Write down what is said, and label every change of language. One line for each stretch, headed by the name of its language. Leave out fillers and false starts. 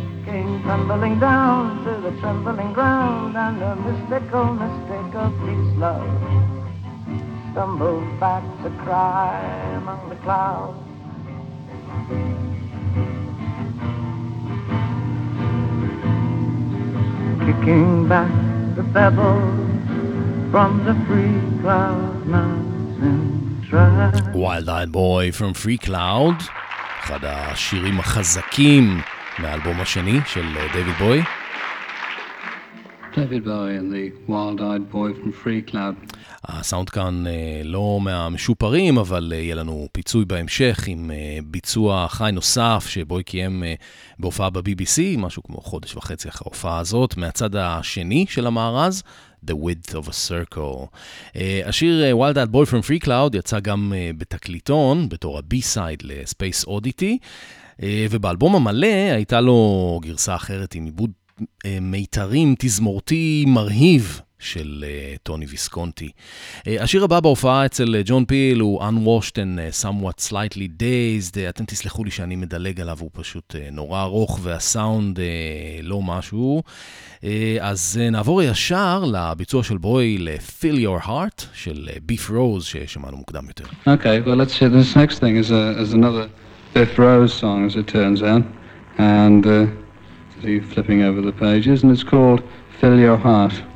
English: came tumbling down to the trembling ground, and the mystical mistake of his love stumbled back to cry among the clouds. Kicking back the pebbles from the free cloud mountain track.
Hebrew: Wild Eyed Boy from Free Cloud, אחד השירים החזקים מהאלבום השני של דייוויד בוי. דייוויד בוי and the Wild Eyed Boy from Free Cloud. הסאונד כאן לא מהמשופרים, אבל יהיה לנו פיצוי בהמשך עם ביצוע חי נוסף שבוי קיים בהופעה בבי-בי-סי, משהו כמו חודש וחצי אחרי ההופעה הזאת, מהצד השני של המארז, The Width of a Circle. השיר Wild Eyed Boy from Free Cloud יצא גם בתקליטון, בתור הבי-סייד לספייס אודיטי, ובאלבום המלא הייתה לו גרסה אחרת עם עיבוד מיתרים תזמורתי מרהיב, של טוני ויסקונטי. השיר הבא בהופעה אצל ג'ון פיל הוא Unwashed and Somewhat Slightly Dazed. אתם תסלחו לי שאני מדלג עליו, הוא פשוט נורא ארוך והסאונד לא משהו. אז נעבור ישר לביצוע של בוי ל-Fill Your Heart של Biff Rose ששמענו מוקדם יותר.
English: Okay, well let's see, this next thing is, is another Biff Rose song as it turns out, and flipping over the pages, and it's called Fill Your Heart.